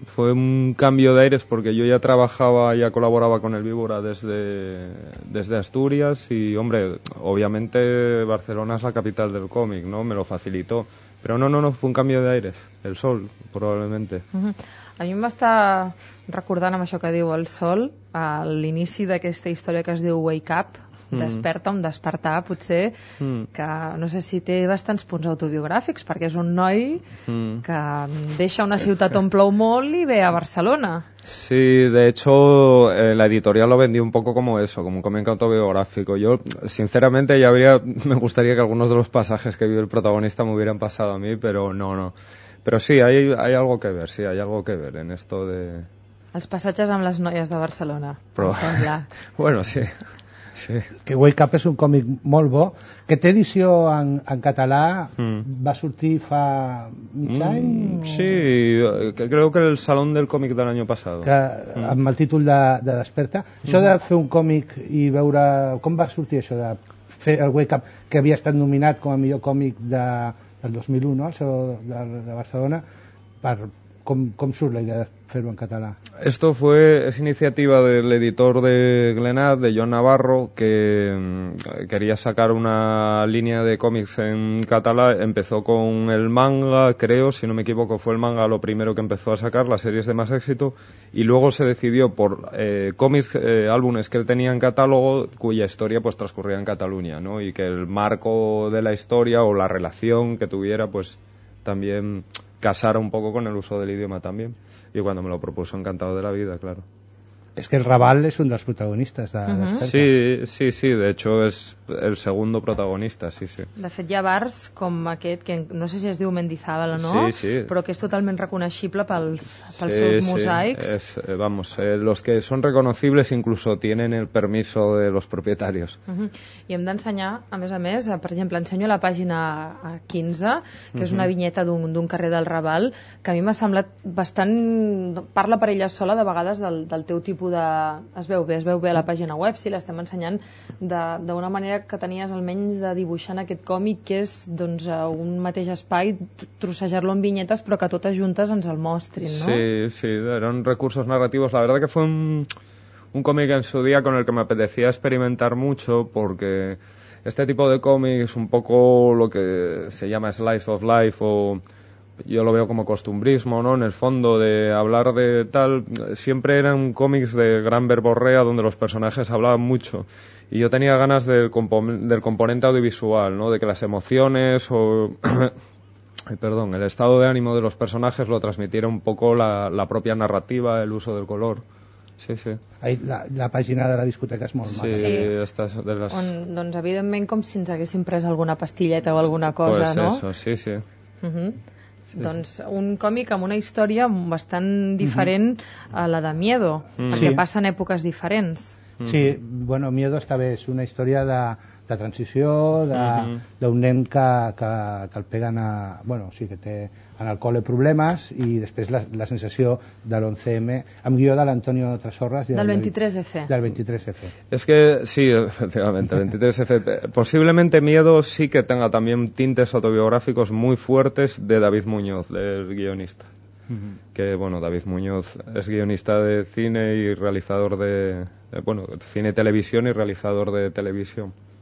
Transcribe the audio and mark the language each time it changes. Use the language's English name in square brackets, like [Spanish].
[Spanish] Fue un cambio de aires porque yo ya trabajaba, ya colaboraba con el Víbora desde Asturias y, hombre, obviamente Barcelona es la capital del cómic, ¿no? Me lo facilitó. Pero no, fue un cambio de aires. El sol, probablemente. Uh-huh. [Catalan] A mi em va estar recordant amb això que diu el sol a l'inici d'aquesta història que es diu Wake Up, Desperta'm, despertar, potser, que no sé si té bastants punts autobiogràfics, perquè és un noi que deixa una ciutat on plou molt i ve a Barcelona. [Spanish] Sí, de hecho, la editorial lo vendió un poco como eso, como un cómic autobiográfico. Yo, sinceramente, me gustaría que algunos de los pasajes que vive el protagonista me hubieran pasado a mí, pero no. Però sí, hay algo que ver, sí, hay algo que ver en esto de... [Catalan] Els passatges amb les noies de Barcelona. [Spanish] Però... Bueno, sí. [Catalan] Que Wake Up és un còmic molt bo, que té edició en català, va sortir fa mig any? [Spanish] Sí, creo que el Salón del Còmic [Catalan] de l'any passat. Amb el títol de Desperta. Això de fer un còmic i veure... Com va sortir això de fer el Wake Up, que havia estat nominat com a millor còmic de... [Spanish] el 2001, el Saló de Barcelona, ¿cómo surge la idea de hacerlo en catalán? Esto es iniciativa del editor de Glenad, de John Navarro, que quería sacar una línea de cómics en catalán. Empezó con el manga, creo, si no me equivoco, fue el manga lo primero que empezó a sacar, la serie es de más éxito, y luego se decidió por cómics, álbumes que él tenía en catálogo, cuya historia pues transcurría en Cataluña, ¿no? Y que el marco de la historia o la relación que tuviera pues también... casar un poco con el uso del idioma también. Y cuando me lo propuso, encantado de la vida, claro. Es que el Raval es un de los protagonistas de Sí, de hecho es el segundo protagonista, sí. [Catalan] De fet, hi ha bars com aquest, que no sé si es diu Mendizábal o no, sí. Però que és totalment reconeixible pels seus mosaics. [Spanish] Los que son reconocibles incluso tienen el permiso de los propietarios. [Catalan] I hem d'ensenyar, a més, per exemple, ensenyo la pàgina 15, que és una vinyeta d'un carrer del Raval, que a mi m'ha semblat bastant... Parla per ella sola, de vegades, del teu tipus tipus de... Es veu bé a la pàgina web, si l'estem ensenyant d'una manera que tenies almenys de dibuixar en aquest còmic, que és doncs, un mateix espai, trossejar-lo en vinyetes, però que totes juntes ens el mostrin, no? Sí, sí, eren recursos narratius. [Spanish] La verdad que fue un cómic en su día con el que me apetecía experimentar mucho, porque este tipo de cómic es un poco lo que se llama slice of life, o yo lo veo como costumbrismo, ¿no? En el fondo, de hablar de tal, siempre eran cómics de gran verborrea donde los personajes hablaban mucho, y yo tenía ganas del componente audiovisual, ¿no? De que las emociones o perdón, el estado de ánimo de los personajes lo transmitiera un poco la propia narrativa, el uso del color. Sí, sí. [Catalan] La pàgina de la discoteca és molt maca. Sí, està de les... On, doncs evidentment com si ens haguéssim pres alguna pastilleta o alguna cosa, [Spanish] pues no? [Catalan] Això, sí, sí. Uh-huh. Sí, doncs un còmic amb una història bastant diferent uh-huh. a la de Miedo, uh-huh. perquè sí. passa en èpoques diferents. Uh-huh. Sí, bueno, Miedo està bé, és una història de transició, d'un nen que el peguen a... Bueno, sí, que té en el col·le problemes i després la sensació de l'11M, amb guió de l'Antonio Trasorras... Del 23F. És que, sí, efectivament, el 23F. [Spanish] Possiblemente Miedo sí que tenga también tintes autobiográficos muy fuertes de David Muñoz, del guionista. Que, bueno, David Muñoz es guionista de cine y realizador bueno, cine y televisión y realizador de televisión.